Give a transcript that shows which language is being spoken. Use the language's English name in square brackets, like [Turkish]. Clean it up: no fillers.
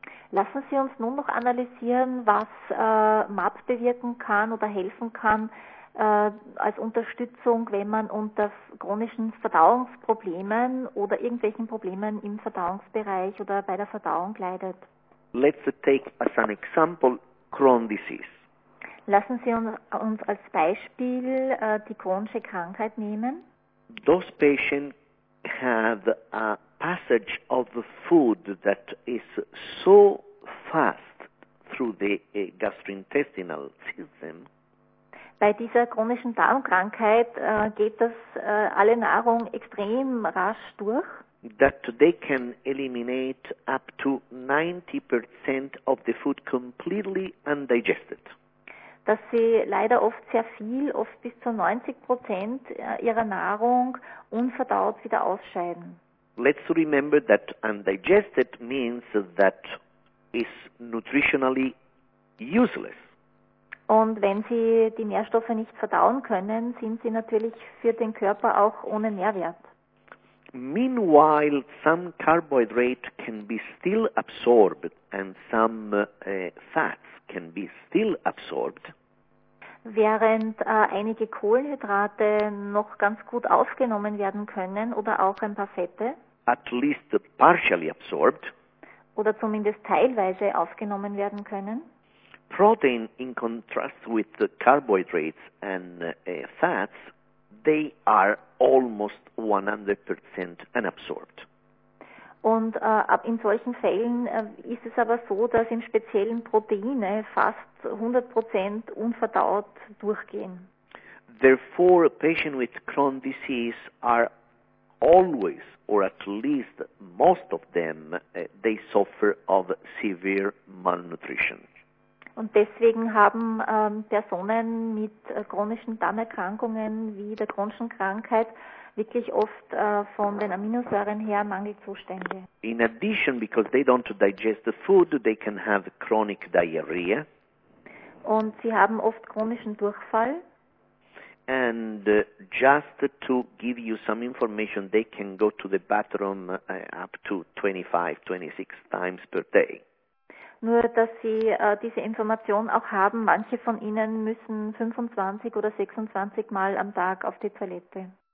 [German] Lassen Sie uns nun noch analysieren, was MAP bewirken kann oder helfen kann als Unterstützung, wenn man unter chronischen Verdauungsproblemen oder irgendwelchen Problemen im Verdauungsbereich oder bei der Verdauung leidet. [English] Let's take as an example Crohn's disease. [German] Lassen Sie uns als Beispiel die chronische Krankheit nehmen. [English] Those patients have a passage of the food that is so fast through the gastrointestinal system. [German] Bei dieser chronischen Darmkrankheit geht das alle Nahrung extrem rasch durch. [English] That they can eliminate up to 90% of the food completely undigested. [German] Dass sie leider oft sehr viel, oft bis zu 90% ihrer Nahrung unverdaut wieder ausscheiden. [English] Let's remember that undigested means that it's nutritionally useless. [German] Und wenn sie die Nährstoffe nicht verdauen können, sind sie natürlich für den Körper auch ohne Nährwert. [English] Meanwhile, some carbohydrate can be still absorbed and some fats can be still absorbed. [German] Während einige Kohlenhydrate noch ganz gut aufgenommen werden können oder auch ein paar Fette. [English] At least partially absorbed. [German] Oder zumindest teilweise aufgenommen werden können. [English] Protein, in contrast with the carbohydrates and fats, they are almost 100% unabsorbed. [German] Und in solchen Fällen ist es aber so, dass in speziellen Proteine fast 100% unverdaut durchgehen. [English] Therefore, patients with Crohn's disease are always, or at least most of them, they suffer of severe malnutrition. [German] Und deswegen haben Personen mit chronischen Darmerkrankungen wie der chronischen Krankheit wirklich oft von den Aminosäuren her Mangelzustände. [English] In addition, because they don't digest the food, they can have chronic diarrhea. [German] Und sie haben oft chronischen Durchfall. [English] And just to give you some information, they can go to the bathroom up to 25, 26 times per day. [German] Nur, dass Sie diese Information auch haben, manche von Ihnen müssen 25 oder 26 Mal am Tag auf die Toilette.